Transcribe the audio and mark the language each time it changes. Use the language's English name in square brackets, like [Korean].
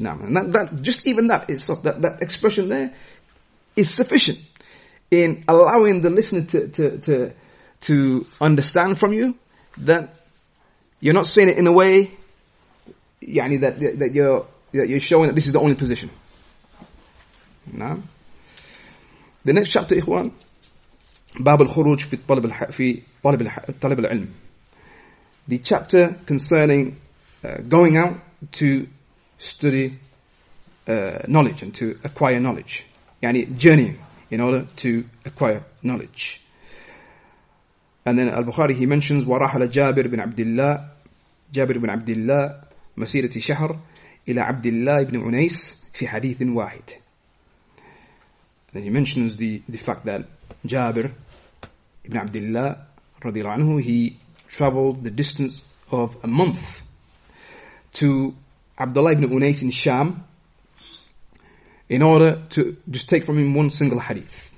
[English] Now, and that just even that itself, that expression there is sufficient in allowing the listener to understand from you that you're not saying it in a way, that you're showing that this is the only position. No. [Arabic] The next chapter, Ikhwan, باب الخروج في طلب الح في طلب الح طلب العلم. [English] The chapter concerning going out to study knowledge and to acquire knowledge, يعني journeying in order to acquire knowledge. [Arabic] And then Al-Bukhari, he mentions ورحل جابر بن عبد الله جابر بن عبد الله مسيرة شهر إلى عبد الله بن عنيس في حديث واحد. [English] Then he mentions the fact that Jabir ibn Abdullah رضي الله عنه, he traveled the distance of a month to Abdullah ibn Unais in Sham in order to just take from him one single hadith.